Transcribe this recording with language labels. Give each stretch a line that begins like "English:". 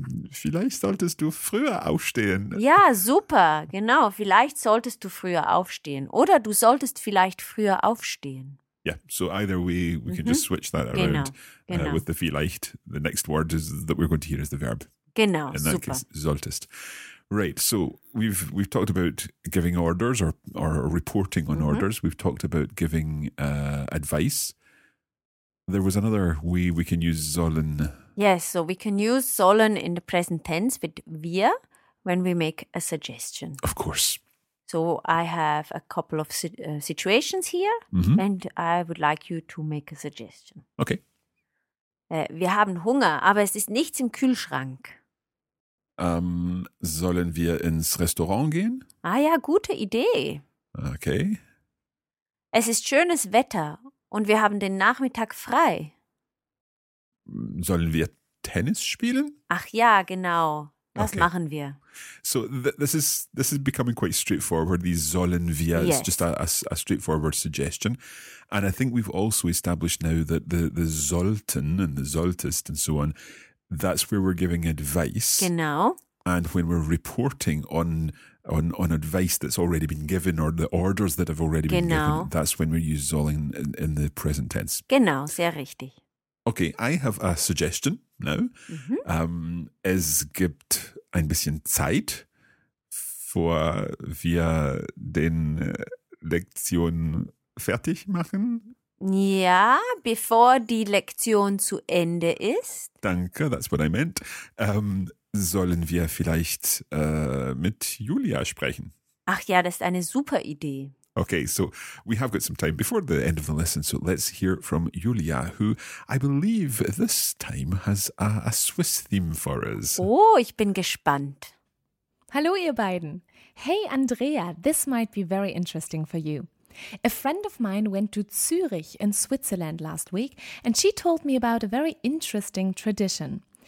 German: Vielleicht solltest du früher aufstehen. Ja, super, genau. Vielleicht solltest du früher aufstehen. Oder du solltest vielleicht früher aufstehen.
English: Yeah, so either way, we can just switch that around.
German: Genau, genau.
English: With the vielleicht, the next word is, that we're going to hear is the verb.
German: Genau,
English: in that
German: super.
English: Case, solltest. Right, so we've talked about giving orders or reporting on orders. We've talked about giving advice. There was another way we can use sollen. Yes, so we can use sollen in the present tense with wir when we make a suggestion. Of course. So I have a couple of situations here and I would like you to make a suggestion. Okay.
German: Wir haben Hunger, aber es ist nichts im Kühlschrank. Sollen wir ins Restaurant gehen? Ah ja, gute Idee.
English: Okay.
German: Es ist schönes Wetter und wir haben den Nachmittag frei. Sollen wir Tennis spielen? Ach ja, genau. Das machen wir.
English: So this is becoming quite straightforward. These sollen wir is just a straightforward suggestion. And I think we've also established now that the sollten and the solltest and so on, that's where we're giving advice.
German: Genau.
English: And when we're reporting on advice that's already been given or the orders that have already been given, that's when we use sollen in the present tense.
German: Genau, sehr richtig.
English: Okay, I have a suggestion now. Mm-hmm.
German: Es gibt ein bisschen Zeit, bevor wir den Lektion fertig machen. Ja, bevor die Lektion zu Ende ist. Danke,
English: that's what I meant.
German: Sollen wir vielleicht mit Julia sprechen? Ach ja, das ist eine super Idee.
English: Okay, so we have got some time before the end of the lesson, so let's hear from Julia, who I believe this time has a Swiss theme for us.
German: Oh, ich bin gespannt. Hallo, ihr beiden.
English: Hey, Andrea, this might be very interesting for you. A friend of mine went to Zürich in Switzerland last week, and she told me about a very interesting tradition.